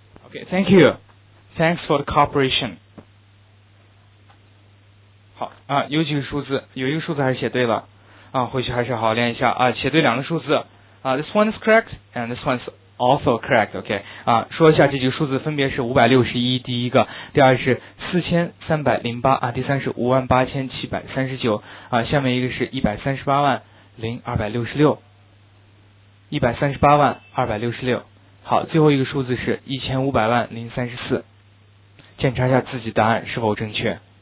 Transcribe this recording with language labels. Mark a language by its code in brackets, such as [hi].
[en] $15,034,000. Okay, thank you. Thanks for the cooperation. [zh] 好啊，有几个数字，有一个数字还是写对了啊，回去还是好好练一下啊，写对两个数字啊。 [en] This one is correct and this one is also correct. [zh] Okay, 啊，说一下这几个数字分别是561，第一个，第二是4,308啊，第三是58,739啊，下面一个是1,380,266，1,380,266。好，最后一个数字是1,500,034，检查一下自己答案是否正确。